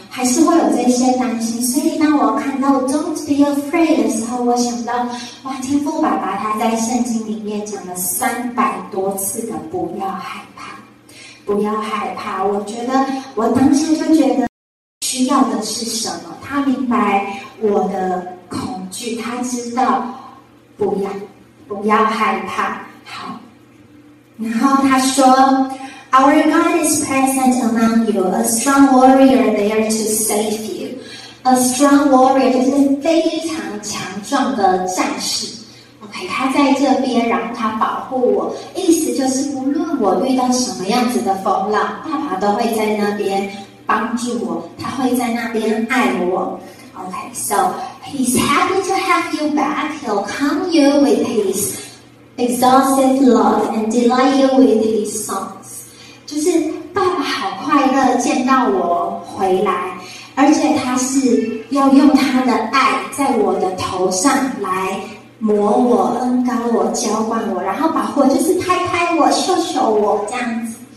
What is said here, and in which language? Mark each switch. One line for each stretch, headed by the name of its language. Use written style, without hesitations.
Chinese: 还是会有这些担心。所以当我看到
English: Don't be afraid
Chinese: 的时候，我想到哇，天父爸爸他在圣经里面讲了300多次的不要害怕，不要害怕，我觉得我当时就觉得需要的是什么，他明白我的恐惧，他知道不要不要害怕。好，然后他说
English: Our God is present among you, a strong warrior there to save you. A strong warrior
Chinese: 就是非常强壮的战士。 OK, 他在这边，然后他保护我，意思就是不论我遇到什么样子的风浪，爸爸都会在那边帮助我，他会在那边爱我。
English: OK, so He's happy to have you back. He'll come you with His exhaustive love and delight you with His songs.
Chinese: 就是爸爸好快乐见到我回来，而且他是要用他的爱在我的头上来磨我、恩膏我、浇灌我，然后保护我，就是拍拍我、秀秀我这样子。